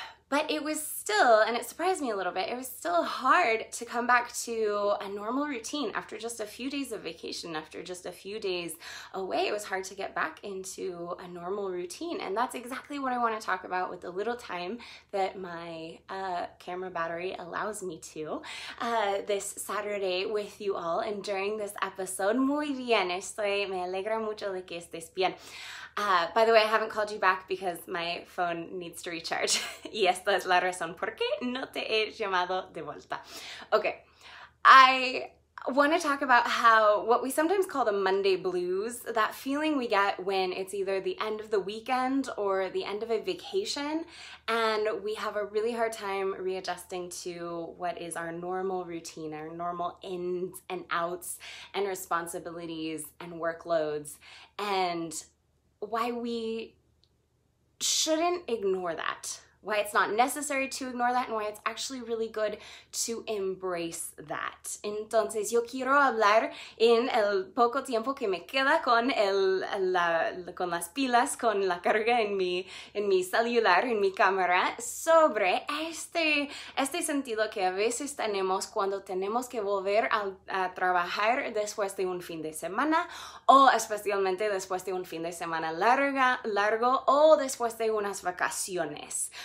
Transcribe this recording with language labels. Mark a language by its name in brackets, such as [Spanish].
[English] But it was still, and it surprised me a little bit, it was still hard to come back to a normal routine after just a few days of vacation, after just a few days away. It was hard to get back into a normal routine. And that's exactly what I want to talk about with the little time that my camera battery allows me to this Saturday with you all and during this episode. [Spanish] Muy bien, estoy, me alegra mucho de que estés bien. [English] By the way, I haven't called you back because my phone needs to recharge. [Spanish] Y esta es la razón por qué no te he llamado de vuelta. [English] Okay, I want to talk about how what we sometimes call the Monday blues, that feeling we get when it's either the end of the weekend or the end of a vacation, and we have a really hard time readjusting to what is our normal routine, our normal ins and outs and responsibilities and workloads, and why we shouldn't ignore that, why it's not necessary to ignore that, and why it's actually really good to embrace that. [Spanish] Entonces, yo quiero hablar en el poco tiempo que me queda con con las pilas, con la carga en mi celular, en mi cámara, sobre este sentido que a veces tenemos cuando tenemos que volver a trabajar después de un fin de semana, o especialmente después de un fin de semana largo, o después de unas vacaciones.